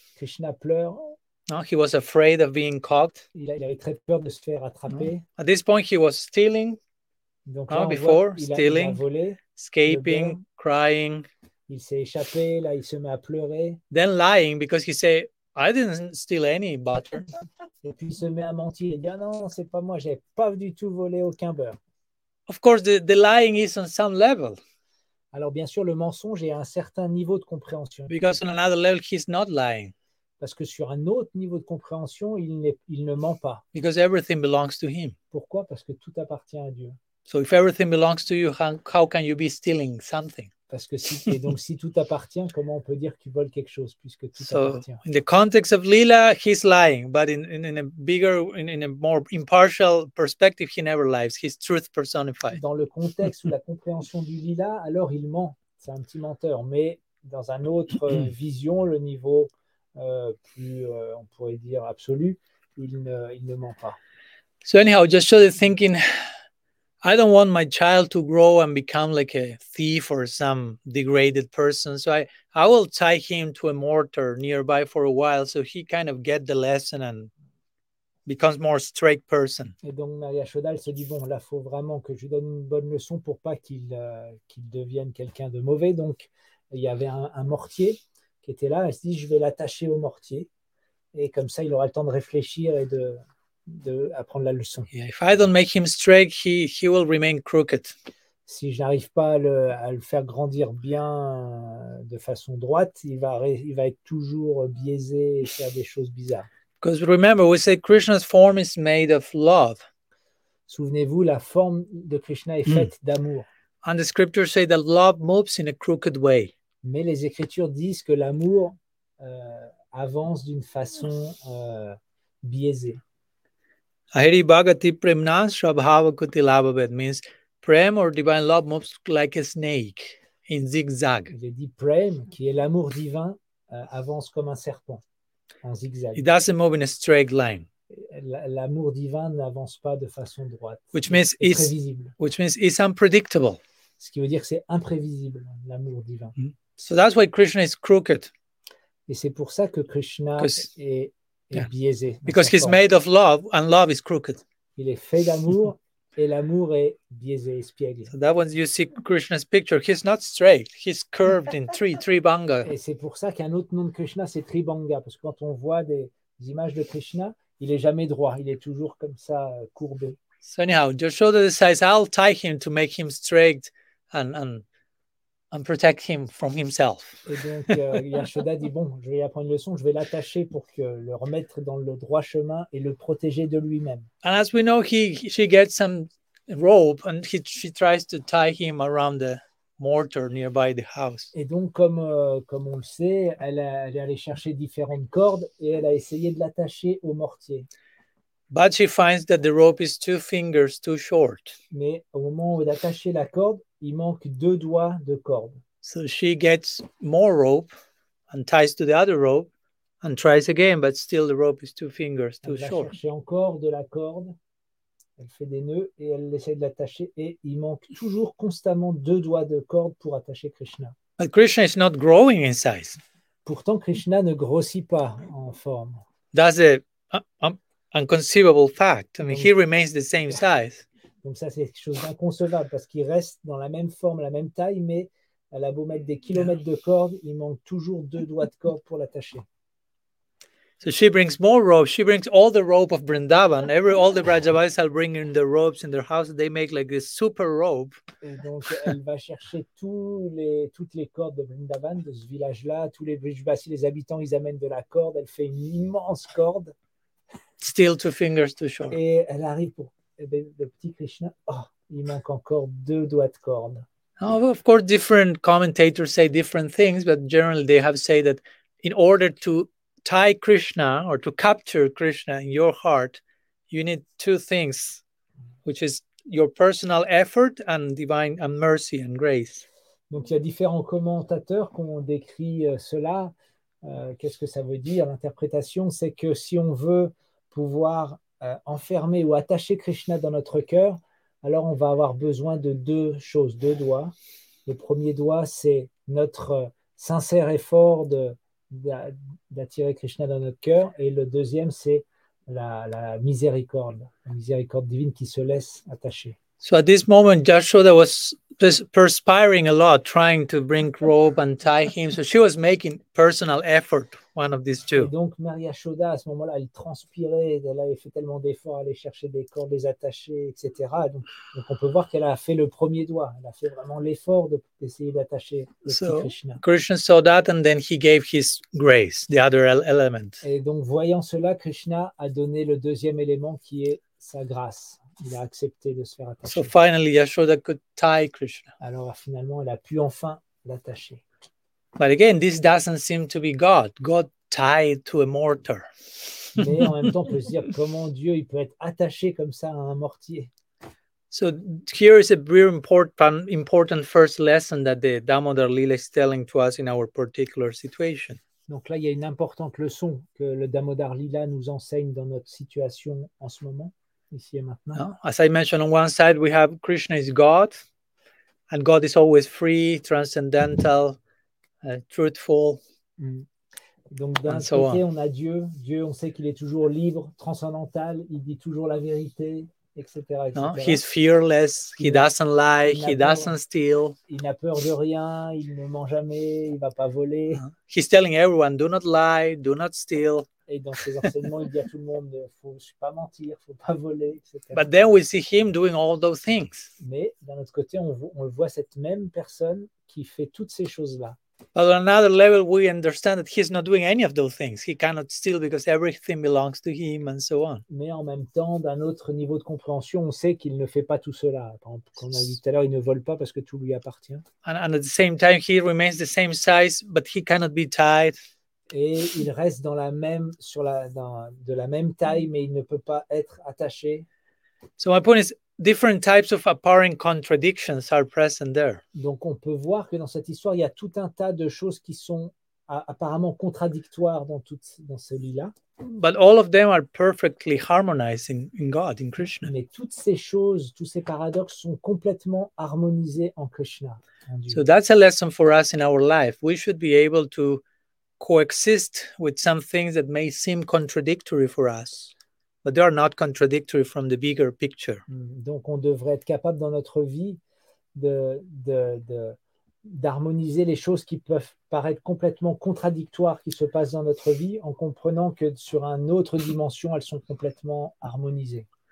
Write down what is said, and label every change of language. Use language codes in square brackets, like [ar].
[fr] Krishna pleure. [en] No, he was afraid of being caught. [fr] Il avait très peur de se faire attraper. [en] No. At this point, he was stealing. [fr] Donc là, [en] stealing, [fr] il a volé, [en] escaping, crying. [fr] Il s'est échappé, là, il se met à pleurer. [en] Then lying because he said, I didn't steal any butter. [fr] Et puis il se met à mentir. Il dit, non, c'est pas moi, j'ai pas du tout volé aucun beurre. [en] Of course, the lying is on some level. [fr] Alors bien sûr, le mensonge est à un certain niveau de compréhension. [en] Because on another level, he's not lying. [fr] Parce que sur un autre niveau de compréhension, il ne ment pas. [en] Because everything belongs to him. [fr] Pourquoi? Parce que tout appartient à Dieu. [en] So if everything belongs to you, how can you be stealing something? [fr] Parce que si tout appartient, comment on peut dire qu'il vole quelque chose puisque tout appartient? [en] So in the context of Lila, he's lying, but in a bigger, in a more impartial perspective, he never lies. He's truth personified. [fr] Dans le contexte ou la compréhension du Lila, alors il ment. C'est un petit menteur. Mais dans un autre vision, le niveau plus, on pourrait dire absolu, il ne ment pas. [en] So anyhow, just sort of thinking, I don't want my child to grow and become like a thief or some degraded person. So I will tie him to a mortar nearby for a while so he kind of get the lesson and becomes more straight person. [fr] Et donc Maria Chaudal se dit bon, là faut vraiment que je lui donne une bonne leçon pour pas qu'il devienne quelqu'un de mauvais. Donc il y avait un mortier qui était là. Elle se dit je vais l'attacher au mortier et comme ça il aura le temps de réfléchir et de apprendre la leçon. [en] Yeah, if I don't make him straight, he will remain crooked. [fr] Si je n'arrive pas à le faire grandir bien de façon droite, il va être toujours biaisé et faire des choses bizarres. [en] Because remember, we say Krishna's form is made of love. [fr] Souvenez-vous, la forme de Krishna est faite d'amour. [en] And the scriptures say that love moves in a crooked way. [fr] Mais les écritures disent que l'amour avance d'une façon biaisée. [sa] Hari Bhagati Premna Shabhava Kuti Labhavet [en] means Prem or divine love moves like a snake in zigzag. [fr] Il est dit Prem, qui est l'amour divin, avance comme un serpent. En zigzag. [en] It doesn't move in a straight line. [fr] L'amour divin n'avance pas de façon droite. [en] Which means it's [fr] imprévisible. [en] Which means it's unpredictable. [fr] Ce qui veut dire que c'est imprévisible, l'amour divin. Mm-hmm. [en] So that's why Krishna is crooked. [fr] Et c'est pour ça que Krishna est biaisé. [en] Because he's made of love and love is crooked. [fr] Il est fait d'amour et l'amour est biaisé, espiègle. [en] So that one, you see Krishna's picture. He's not straight. He's curved in Tribhanga. [fr] Et c'est pour ça qu'un autre nom de Krishna, c'est Tribhanga. Parce que quand on voit des images de Krishna, il est jamais droit. Il est toujours comme ça, courbé. [en] So anyhow, Yashoda decides, I'll tie him to make him straight and protect him from himself. [fr] Et donc, Yashoda dit, bon, je vais apprendre une leçon. Je vais l'attacher pour que le remettre dans le droit chemin et le protéger de lui-même. [en] And as we know, she gets some rope and she tries to tie him around the mortar nearby the house. [fr] Et donc, comme on le sait, elle est allée chercher différentes cordes et elle a essayé de l'attacher au mortier. [en] But she finds that the rope is two fingers too short. [fr] Mais au moment où d'attacher la corde, il manque deux doigts de corde. [en] So she gets more rope and ties to the other rope and tries again, but still the rope is two fingers too short. [fr] Elle cherche encore de la corde. Elle fait des nœuds et elle essaie de l'attacher et il manque toujours constamment deux doigts de corde pour attacher Krishna. [en] But Krishna is not growing in size. [fr] Pourtant, Krishna ne grossit pas en forme. [en] That's an inconceivable fact. I mean, he remains the same size. [fr] Donc ça, c'est quelque chose d'inconcevable parce qu'il reste dans la même forme, la même taille, mais elle a beau mettre des kilomètres de corde, il manque toujours deux doigts de corde pour l'attacher. [en] So she brings more rope. She brings all the rope of Vrindavan. All the Vrajavais are bringing the ropes in their house. They make like this super rope. [fr] Et donc, elle va chercher toutes les cordes de Vrindavan, de ce village-là. Tous les Vrajavais, les habitants, ils amènent de la corde. Elle fait une immense corde. Still two fingers too short. Et elle arrive pour... Le petit Krishna, oh, il manque encore deux doigts de corde. [en] Oh, of course, different commentators say different things, but generally they have said that in order to tie Krishna or to capture Krishna in your heart, you need two things, which is your personal effort and divine and mercy and grace. [fr] Donc il y a différents commentateurs qui ont décrit cela. Qu'est-ce que ça veut dire? L'interprétation, c'est que si on veut pouvoir enfermer ou attacher Krishna dans notre cœur, alors on va avoir besoin de deux choses, deux doigts. Le premier doigt, c'est notre sincère effort d'attirer Krishna dans notre cœur. Et le deuxième, c'est la miséricorde divine qui se laisse attacher. [en] So at this moment, Yashoda was perspiring a lot, trying to bring rope and tie him. So she was making personal effort, one of these two. [fr] Et donc, Maria Yashoda, à ce moment-là, elle transpirait. Elle avait fait tellement d'efforts à aller chercher des cordes, les attacher, etc. Donc, on peut voir qu'elle a fait le premier doigt. Elle a fait vraiment l'effort d'essayer d'attacher Krishna. [en] So Krishna saw that and then he gave his grace, the other element. [fr] Et donc, voyant cela, Krishna a donné le deuxième élément qui est sa grâce. Il a accepté de se faire attacher. [en] So finally, Yashoda could tie Krishna. [fr] Alors finalement, elle a pu enfin l'attacher. [en] But again, this doesn't seem to be God. God tied to a mortar. [fr] Mais en même temps, on peut se dire comment Dieu il peut être attaché comme ça à un mortier. So here is a very important first lesson that the Damodar Lila is telling to us in our particular situation. Donc là, il y a une importante leçon que le Damodar Lila nous enseigne dans notre situation en ce moment. Ici et maintenant. [en] No, as I mentioned, on one side we have Krishna is God, and God is always free, transcendental, truthful. [fr] Donc d'un côté, on a Dieu. Dieu, on sait qu'il est toujours libre, transcendantal. Il dit toujours la vérité, etc. etc. [en] No, he's fearless. He doesn't lie. He doesn't steal. [fr] Il n'a peur de rien. Il ne ment jamais. Il ne va pas voler. [en] He's telling everyone, do not lie, do not steal. [fr] Et dans ses enseignements, il dit à tout le monde, ne faut pas mentir, ne faut pas voler, etc. [en] But then we see him doing all those things. [fr] Mais d'un autre côté, on le voit cette même personne qui fait toutes ces choses-là. [en] But on another level, we understand that he's not doing any of those things. He cannot steal because everything belongs to him and so on. [fr] Mais en même temps, d'un autre niveau de compréhension, on sait qu'il ne fait pas tout cela. Comme on a dit tout à l'heure, il ne vole pas parce que tout lui appartient. [en] And at the same time, he remains the same size, but he cannot be tied. [fr] Et il reste dans la même, sur la, dans, de la même taille, mais il ne peut pas être attaché. [en] So my point is, different types of apparent contradictions are present there. [fr] Donc on peut voir que dans cette histoire, il y a tout un tas de choses qui sont apparemment contradictoires dans tout, dans ce lit-là. [en] But all of them are perfectly harmonized in God, in Krishna. [fr] Mais toutes ces choses, tous ces paradoxes sont complètement harmonisés en Krishna. En Dieu. [en] So that's a lesson for us in our life. We should be able to coexist with some things that may seem contradictory for us, but they are not contradictory from the bigger picture. [fr] Donc on devrait être capable dans notre vie de d'harmoniser les choses qui peuvent paraître complètement contradictoires qui se passent dans notre vie en comprenant que sur une autre dimension elles sont complètement harmonisées.